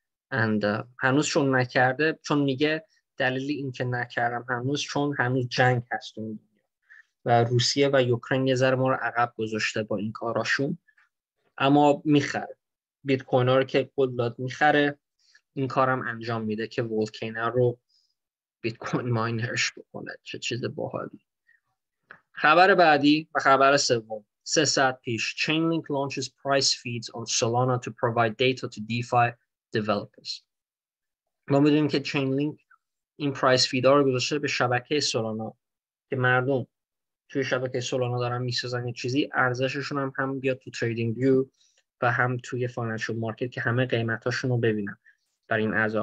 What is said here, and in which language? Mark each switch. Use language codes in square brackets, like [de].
[fa] اند هنوز چون نکرده، چون میگه دلیلی این که نکردم هنوز چون هنوز جنگ هست و روسیه و یوکرین یه ذره ما رو عقب گذاشته با این کاراشون، اما میخره بیت کوین‌ها رو که قول داد میخره، این کارم انجام میده که ولکینر رو بیت کوین ماینرش بکنه. چه چیز باحالی. خبر بعدی و خبر سوم، 3 ساعت پیش، [en] Chainlink launches price feeds on Solana to provide data to DeFi developers. [fa] ما میدونیم که Chainlink این پرایس فید ها رو گذاشته به شبکه سولانا که مردم توی شبکه سولانا دارن میسازن یه چیزی، ارزششون هم بیاد تو تریدینگ ویو و هم توی فاینانشال مارکت که همه قیمتاشون رو ببینن برای این ارزها.